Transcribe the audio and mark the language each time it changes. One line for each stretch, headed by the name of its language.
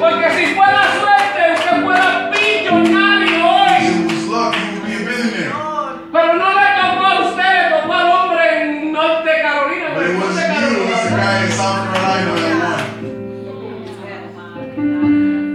Spanish: Porque si fue la suerte, usted fuera millonario hoy.
English: If it was luck, you would be a billionaire.
Spanish: Pero no le tocó a usted, le tocó al hombre en Norte Carolina.
English: But it wasn't you, it was the guy in South Carolina that won.